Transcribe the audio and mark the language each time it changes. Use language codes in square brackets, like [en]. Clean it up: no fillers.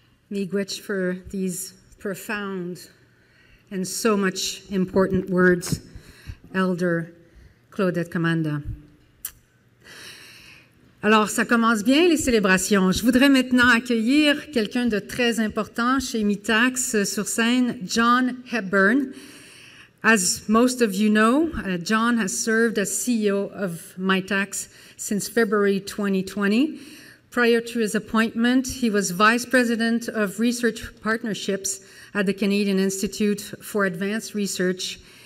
[en] Migwej, for these profound and so much important words, Elder Claudette Kamanda. [fr] Alors, ça commence bien, les célébrations. Je voudrais maintenant accueillir quelqu'un de très important chez Mi'tak's sur scène, John Hepburn. [en] As most of you know, John has served as CEO of MiTax since February 2020. Prior to his appointment, he was Vice President of Research Partnerships at the Canadian Institute for Advanced Research.